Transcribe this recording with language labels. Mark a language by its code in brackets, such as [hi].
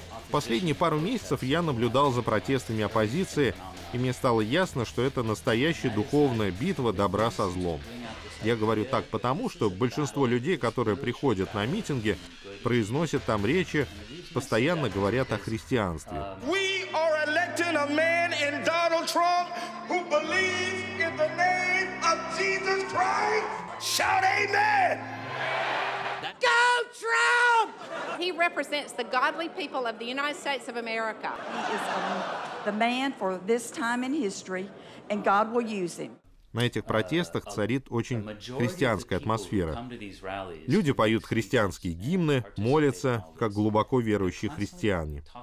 [ru] Последние пару месяцев я наблюдал за протестами оппозиции, и мне стало ясно, что это настоящая духовная битва добра со злом. Я говорю так потому, что большинство людей, которые приходят на митинги, произносят там речи, постоянно говорят о христианстве. [en] We are electing a man in Donald Trump who believes in the name of Jesus Christ. Shout amen! Go Trump! He represents the godly people of the United States of America. He is the man for this time in history, and God will use him. [ru] На этих протестах царит очень христианская атмосфера. Люди поют христианские гимны, молятся, как глубоко верующие христиане.